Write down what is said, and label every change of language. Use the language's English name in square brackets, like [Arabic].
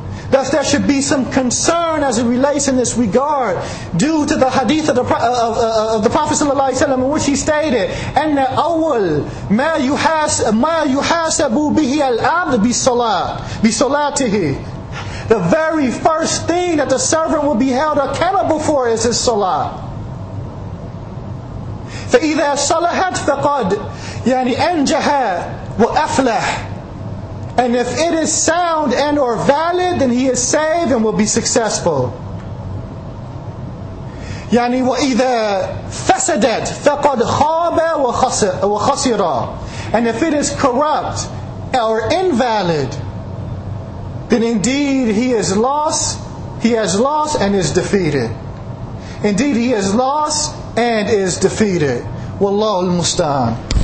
[English] Thus there should be some concern as it relates in this regard due to the hadith of the Prophet ﷺ in which he stated, [Arabic] أَنَّ أَوَّلْ مَا يُحَاسَبُ بِهِ الْعَبْدِ بِصَلَاتِهِ. [English] The very first thing that the servant will be held accountable for is his salah. [Arabic] فإذا صلحت فقد يعني أنجح وأفلح. [English] And if it is sound and or valid, then he is saved and will be successful. [Arabic] يعني وإذا فسدت فقد خاب وخسر. [English] And if it is corrupt or invalid, then indeed he is lost, he has lost and is defeated. Indeed he is lost and is defeated. [Arabic] Wallahu al-musta'an.